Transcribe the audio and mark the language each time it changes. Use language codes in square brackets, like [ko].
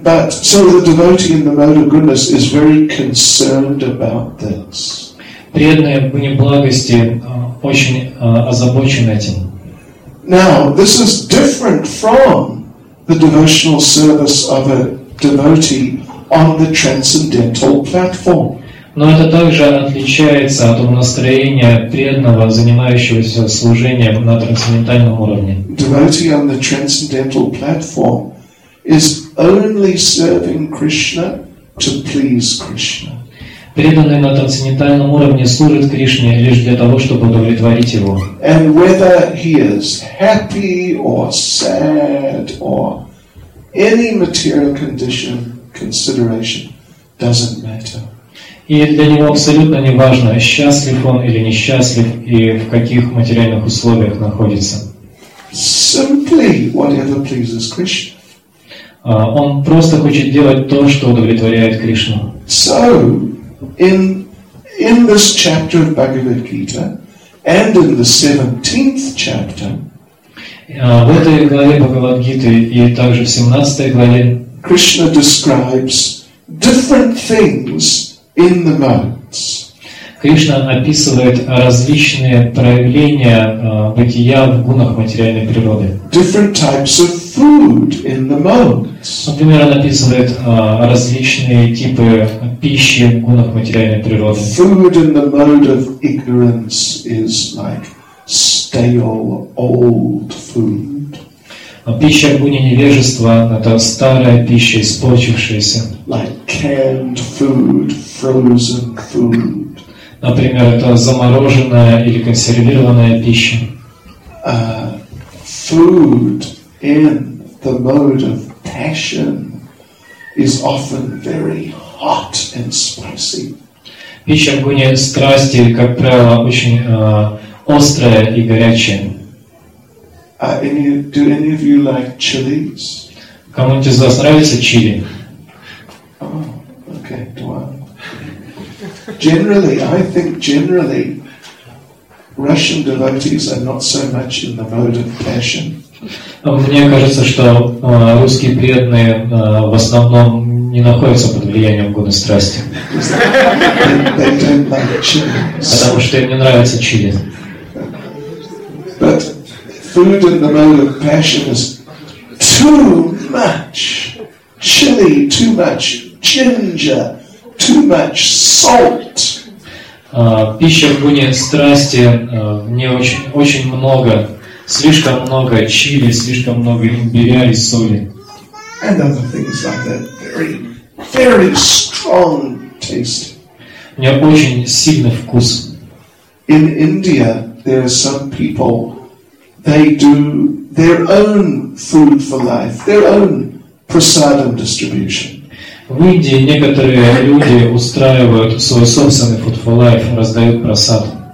[en] So the devotee in the mode of goodness is very concerned about this. [ru] Преданный в гуне благости очень озабочен этим. [en] Now, this is different from the devotional service of a devotee on the transcendental platform. [ru] Но это также отличается от настроения преданного, занимающегося служением на трансцендентальном уровне. [en] Devotee on the transcendental platform is only serving Krishna to please Krishna. [ru] Преданный на трансцендентальном уровне служит Кришне лишь для того, чтобы удовлетворить его. [en] And whether he is happy or sad or any material condition consideration doesn't matter. [ru] И для него абсолютно не важно, счастлив он или несчастлив и в каких материальных условиях находится. [en] Simply whatever pleases Krishna. [ru] Он просто хочет делать то, что удовлетворяет Кришну. [en] So, in this chapter of Bhagavad Gita and in the 17th chapter, [ru] в этой главе Бхагавад Гиты и также в 17 главе [en] Krishna describes different things in the modes. [ru] Кришна описывает различные проявления бытия в гунах материальной природы. [en] Different types of food in the modes. [ru] Например, он описывает различные типы пищи в гунах материальной природы. [en] Food in the mode of ignorance is like stale old food. [ru] Пища в гуне невежества — это старая пища, испортившаяся. [en] Like canned food, frozen food. [ru] Например, это замороженная или консервированная пища. [en] Food in the mode of passion is often very hot and spicy. [ru] Пища в гуне страсти, как правило, очень острая и горячая. [en] Do any of you like chilies? [ru] Кому-нибудь из вас нравится чили? [en] Generally, Russian devotees are not so much in the mode of passion. [ru] Мне кажется, что русские преданные в основном не находятся под влиянием гуны страсти. [en] They don't like chilies. [ru] Потому что им не нравится чили. [en] But food in the mode of passion is too much chili, too much ginger, too much salt. [ru] Пища в гуне страсти в ней очень, очень много, слишком много чили, слишком много имбиря и соли. [en] And other things like that. Very, very strong taste. [ru] У нее очень сильный вкус. [en] In India there are some people, they do their own food for life, their own prasadam distribution. [ru] В Индии некоторые люди устраивают свой собственный food for life, раздают просад.